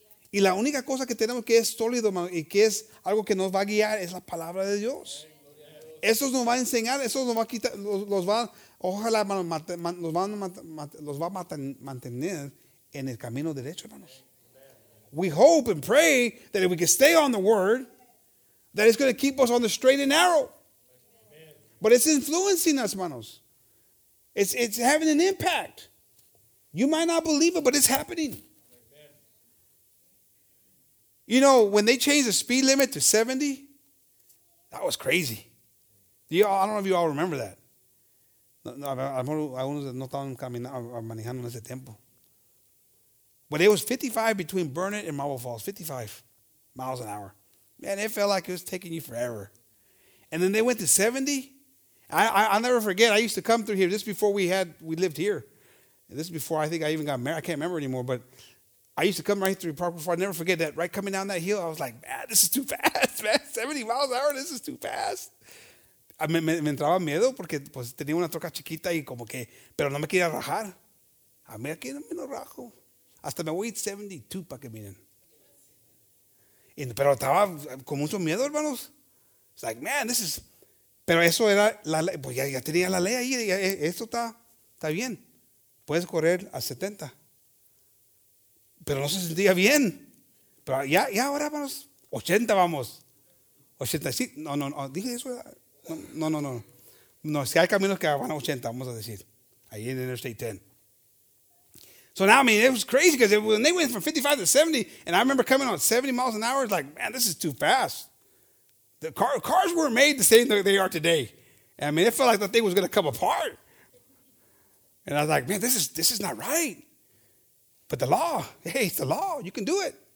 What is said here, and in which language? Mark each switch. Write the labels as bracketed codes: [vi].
[es] Y la única cosa que tenemos que es sólido, hermano, y que es algo que nos va a guiar es la palabra de Dios. Eso nos va a enseñar, eso nos va a quitar, los va, ojalá, hermano, los va a mantener en el camino derecho, hermanos. [en] We hope and pray that if we can stay on the word, that it's going to keep us on the straight and narrow. But it's influencing us, hermanos. It's having an impact. You might not believe it, but it's happening. You know, when they changed the speed limit to 70, that was crazy. I don't know if you all remember that. [es] Algunos no estaban caminando, manejando en ese tiempo. [en] But it was 55 between Burnett and Marble Falls, 55 miles an hour. Man, it felt like it was taking you forever. And then they went to 70. I'll never forget, I used to come through here, this before we lived here. And this is before I think I even got married. I can't remember anymore, but I used to come right through Park before. I never forget that. Right coming down that hill, I was like, man, this is too fast, man. 70 miles an hour, this is too fast. [es] Me entraba miedo porque pues tenía una troca chiquita y como que, pero no me quería rajar. A mí aquí no me lo rajo. Hasta me voy 72 para que miren. Pero estaba con mucho miedo, hermanos. [en] It's like, man, this is, [es] pero eso era, la pues ya tenía la ley ahí. Esto está bien. Puedes correr a 70. Pero no se sentía bien. Pero ya ahora vamos. 80 vamos. 80, sí. No. Dije eso. No. Si hay caminos que van a 80, vamos a decir. Ahí en Interstate 10. [en] So now, I mean, it was crazy because when they went from 55 to 70, and I remember coming on 70 miles an hour, it's like, man, this is too fast. The cars weren't made the same that they are today. And, I mean, it felt like the thing was going to come apart. And I was like, man, this is not right. But the law, hey, it's the law. You can do it.